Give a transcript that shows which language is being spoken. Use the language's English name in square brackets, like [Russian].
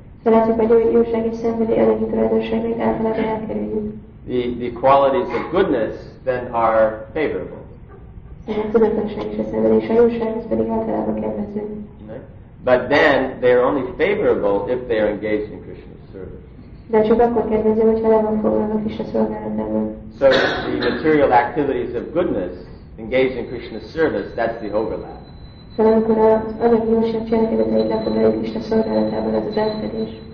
[English] The qualities of goodness then are favorable. But then they are only favorable if they are engaged in Krishna's service. [Hungarian] De csak akkor kérdezi, hogyha le van foglalva Krisna szolgálatában. [English] So the material activities of goodness engaged in Krishna's service, that's the overlap. [Hungarian] Szóval amikor az a jóság cselekedeteit le foglalja Krisna szolgálatában, az az átfedés.